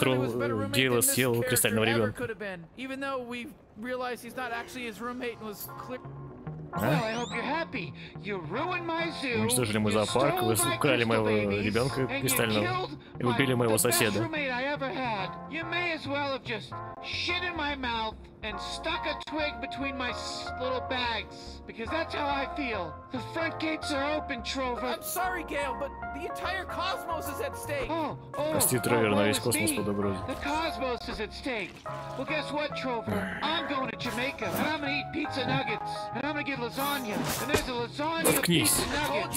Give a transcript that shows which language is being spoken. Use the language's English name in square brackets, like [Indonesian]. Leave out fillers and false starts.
[English] I clearly was better roommate than this character could have been. Even though we realized he's not actually his roommate and was clear. Well, I hope you're happy. You ruined my zoo. [Russian] Мы уничтожили мой зоопарк, вы украли моего ребенка кристального и убили моего соседа. [English] You may as well have just shit in my mouth and stuck a twig between my little bags, because that's how I feel. The front gates are open, Trover. I'm sorry, Gail, but the entire cosmos is at stake. [Russian] Прости, Тревер, но весь космос под угрозой. [English] The cosmos is at stake. Well, guess what, Trover? I'm going to Jamaica, and I'm gonna eat pizza nuggets, and I'm gonna get lasagna, and there's a lasagna pizza nuggets.